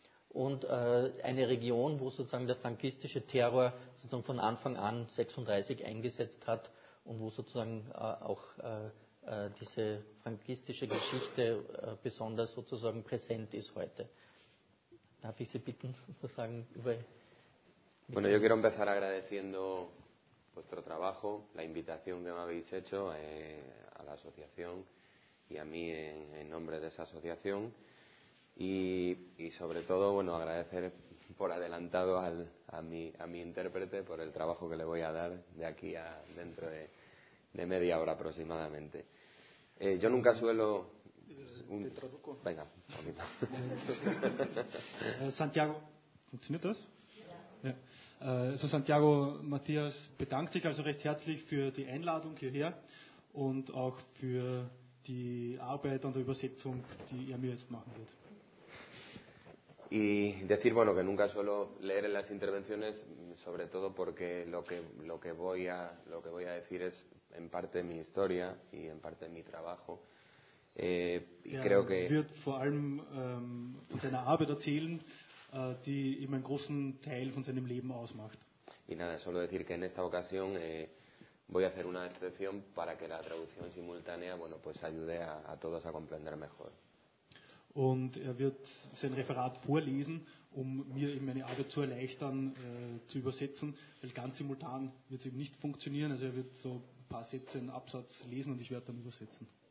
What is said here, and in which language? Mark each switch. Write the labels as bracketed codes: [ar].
[de] Und eine Region, wo sozusagen der frankistische Terror sozusagen von Anfang an 36 eingesetzt hat und wo sozusagen auch diese frankistische Geschichte besonders sozusagen präsent ist heute. Darf ich Sie bitten, sozusagen über... [es] Bueno, yo quiero empezar agradeciendo vuestro trabajo, la invitación que me habéis hecho a la asociación y a mí en nombre de esa asociación. Y sobre todo, bueno, agradecer por adelantado a mi intérprete por el trabajo que le voy a dar de aquí a dentro de media hora aproximadamente. Yo nunca suelo... ¿Te traduzco? Venga, a mí no. Santiago, ¿funciona esto? [de] Ja. Also Santiago Macias bedankt sich also recht herzlich für die Einladung hierher und auch für die Arbeit an der Übersetzung, die er mir jetzt machen wird. [es] Y decir, bueno, que nunca suelo leer en las intervenciones, sobre todo porque lo que voy a decir es en parte mi historia y en parte mi trabajo. [de] Er wird vor allem von seiner Arbeit erzählen, die ihm einen großen Teil von seinem Leben ausmacht. [es] Y nada, solo decir que en esta ocasión voy a hacer una excepción para que la traducción simultánea, bueno, pues ayude a todos a comprender mejor. [de] Und er wird sein Referat vorlesen, um mir eben meine Arbeit zu erleichtern, zu übersetzen, weil ganz simultan wird es eben nicht funktionieren. Also er wird so ein paar Sätze, einen Absatz lesen und ich werde dann übersetzen.